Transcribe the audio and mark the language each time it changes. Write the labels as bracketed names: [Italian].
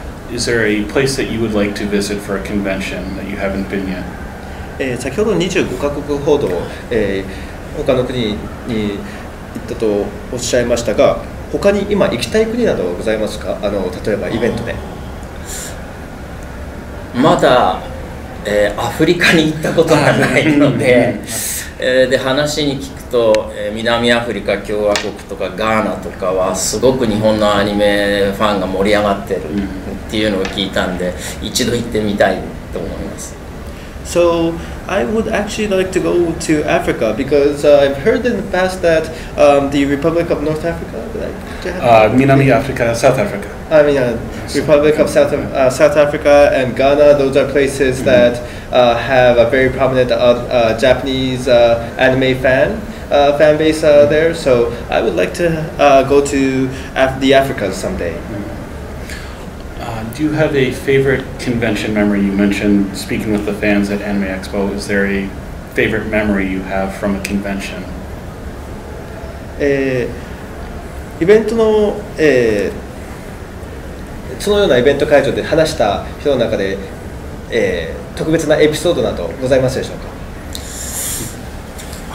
[English] Is there a place that you would like to visit for a convention that you haven't been yet? [Japanese] 先ほど25カ国ほど、他の国に行ったとおっしゃいましたが、他に今行きたい国などございますか？例えばイベントで。まだ、アフリカに行ったことがないので、で話に聞くと、南アフリカ共和国とかガーナとかはすごく日本のアニメファンが盛り上がってるっていうのを聞いたんで、一度行ってみたいと思います。 [English] So I would actually like to go to Africa because I've heard in the past that the Republic of North Africa, South Africa. I mean, Republic of South Africa and Ghana. Those are places that have a very prominent Japanese anime fan base there. So I would like to go to the Africa someday. Do you have a favorite convention memory? You mentioned speaking with the fans at Anime Expo. Is there a favorite memory you have from a convention? [Japanese] イベントの、そのようなイベント会場で話した人の中で、特別なエピソードなどございますでしょうか？